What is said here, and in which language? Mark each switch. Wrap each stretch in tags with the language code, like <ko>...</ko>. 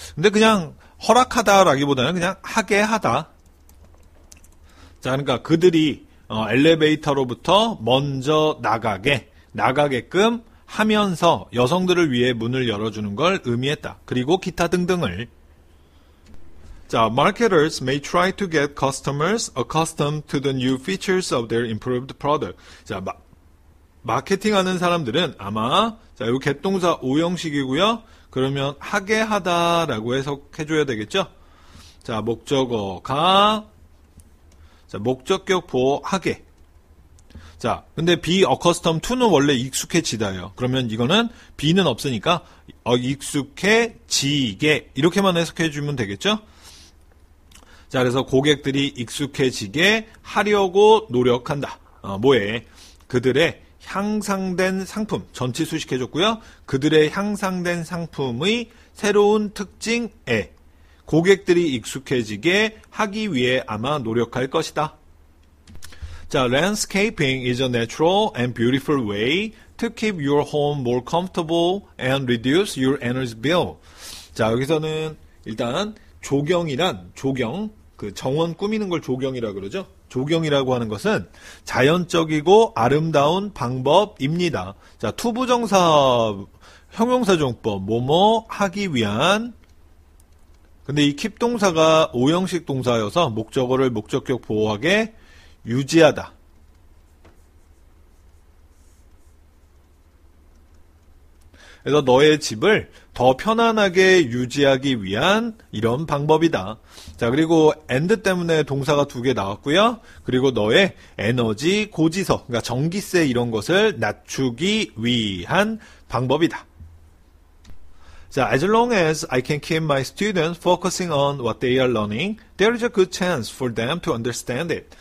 <ko>근데 그냥 허락하다라기보다는 그냥 하게 하다. 자, 그러니까 그들이 엘리베이터로부터 먼저 나가게끔 하면서 여성들을 위해 문을 열어주는 걸 의미했다. 그리고 기타 등등을.</ko> <en>자, marketers may try to get customers accustomed to the new features of their improved product.</en> <ko>자, 마케팅하는 사람들은 아마 자, 이거 get동사 5형식이고요. 그러면 하게 하다라고 해석해줘야 되겠죠? 자, 목적어가 자, 목적격 보호하게. 자, 근데 be accustomed to는 원래 익숙해지다예요. 그러면 이거는 be는 없으니까 익숙해지게 이렇게만 해석해주면 되겠죠? 자, 그래서 고객들이 익숙해지게 하려고 노력한다. 뭐에? 그들의 향상된 상품, 전치 수식해줬고요. 그들의 향상된 상품의 새로운 특징에 고객들이 익숙해지게 하기 위해 아마 노력할 것이다.</ko> <en>자, landscaping is a natural and beautiful way to keep your home more comfortable and reduce your energy bill.</en> <ko>자, 여기서는 일단 조경이란 조경, 그 정원 꾸미는 걸 조경이라 그러죠. 조경이라고 하는 것은 자연적이고 아름다운 방법입니다. 자, 투부정사 형용사정법 뭐뭐 하기 위한. 근데 이 keep 동사가 5형식 동사여서 목적어를 목적격 보호하게 유지하다. 그래서 너의 집을 더 편안하게 유지하기 위한 이런 방법이다. 자, 그리고 and 때문에 동사가 두 개 나왔고요. 그리고 너의 에너지 고지서, 그러니까 전기세 이런 것을 낮추기 위한 방법이다.</ko> <en>자, as long as I can keep my students focusing on what they are learning, there is a good chance for them to understand it.</en>